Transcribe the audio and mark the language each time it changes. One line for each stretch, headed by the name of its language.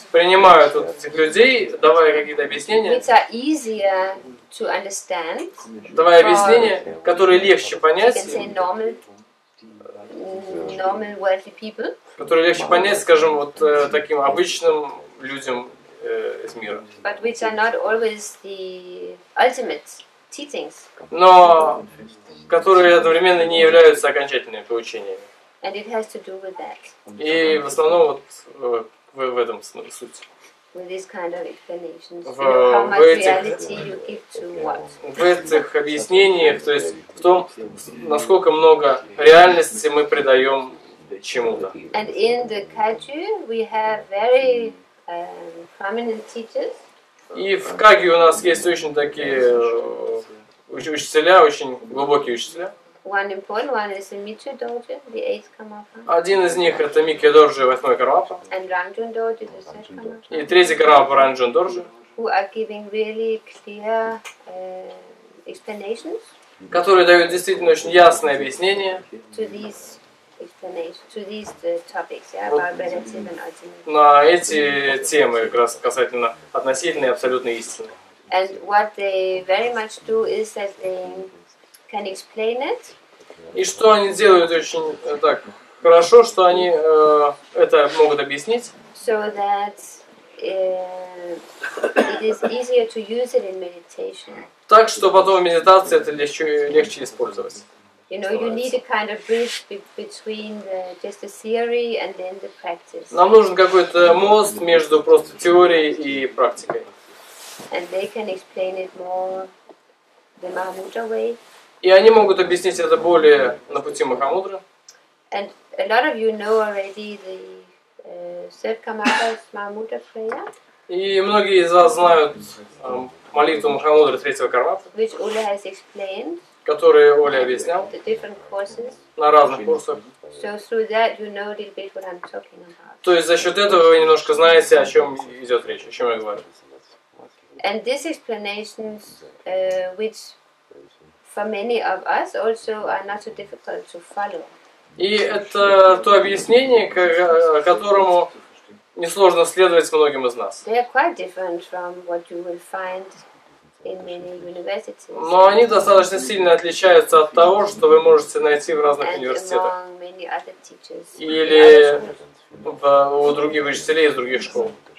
Russian: принимают вот этих людей, давая какие-то объяснения,
English: which are easier to understand,
Russian: давая объяснения, которые легче понять,
English: you can say normal wealthy people,
Russian: которые легче понять, скажем, вот таким обычным людям из мира.
English: But which are not always the ultimate teachings.
Russian: Но которые одновременно не являются окончательными поучениями.
English: And it has to do with that.
Russian: И в основном вот в этом суть.
English: With this kind of explanations. How much reality you give to what?
Russian: В этих объяснениях, то есть в том, насколько много реальности мы придаем чему-то.
English: And in the Kagyu we have very prominent teachers.
Russian: И в Кагью у нас есть очень такие учителя, очень глубокие учителя.
English: One important one is the Mitchu Dorje, the eighth Karmapa.
Russian: Один из них это Микки Дорже, восьмой Карапа.
English: And Ранджун Дорже, the third Карапа.
Russian: И третий Карапа Ранджун Дорже.
English: Who are giving really clear explanations?
Russian: Которые дают действительно очень ясные объяснения.
English: To these topics, about relative and ultimate.
Russian: На эти темы, как раз касательно относительной и абсолютной истины.
English: And what they very much do is that they can explain it.
Russian: И что они делают очень так хорошо, что они это могут объяснить.
English: So that it is easier to use it in meditation.
Russian: Так что потом в медитации это легче использовать.
English: You know, you need a kind of bridge between just the theory and then the practice.
Russian: Нам нужен какой-то мост между просто теорией и практикой.
English: And they can explain it more the Mahamudra way.
Russian: И они могут объяснить это более на пути Махамудры.
English: And a lot of you know already the third Karmapa's Mahamudra prayer.
Russian: И многие из вас знают молитву Махамудры третьего Карапа.
English: Which Ulla has explained.
Russian: Которую Оля объяснял.
English: The different courses.
Russian: На разных курсах.
English: So through that you know a little bit what I'm talking about.
Russian: То есть за счет этого вы немножко знаете, о чем идет речь, о чем я говорю.
English: And these explanations, which for many of us also are not so difficult to follow.
Russian: И это то объяснение, которому несложно следовать многим из нас.
English: They are quite different from what you will find in many universities.
Russian: Но они достаточно сильно отличаются от того, что вы можете найти в разных университетах.
English: And among many other teachers.
Russian: Или у других учителей из других школ.